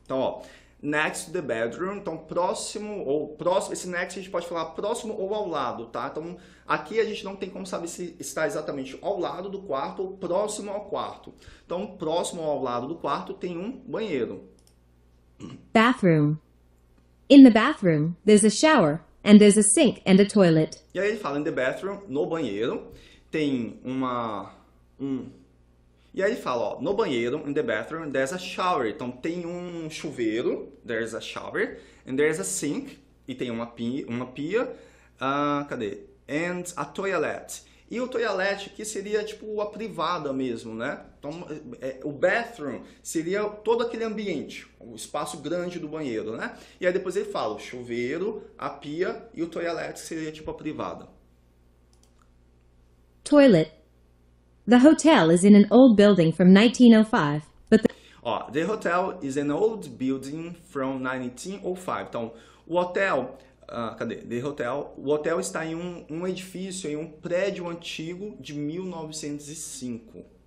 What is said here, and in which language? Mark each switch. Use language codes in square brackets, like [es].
[pt] Então, ó, [en] next to the bedroom, [pt] então próximo ou próximo, esse next a gente pode falar próximo ou ao lado, tá? Então, aqui a gente não tem como saber se está exatamente ao lado do quarto ou próximo ao quarto. Então, próximo ou ao lado do quarto tem um banheiro. [en] Bathroom. In the bathroom, there's a shower and there's a sink and a toilet. [pt] E aí ele fala [en] in the bathroom, [pt] no banheiro, tem uma E aí ele fala, ó, no banheiro, [en] in the bathroom, there's a shower. [pt] Então, tem um chuveiro, [en] there's a shower, and there's a sink, [pt] e tem uma pia, cadê? [en] And a toilet. [pt] E o toilet aqui seria tipo a privada mesmo, né? Então, o bathroom seria todo aquele ambiente, o espaço grande do banheiro, né? E aí depois ele fala, o chuveiro, a pia, e o toilet seria tipo a privada. [en] Toilet. The hotel is in an old building from 1905, but The hotel is an old building from 1905. [pt] Então, o hotel, cadê? [en] The hotel, [pt] o hotel está em um edifício, em um prédio antigo de 1905.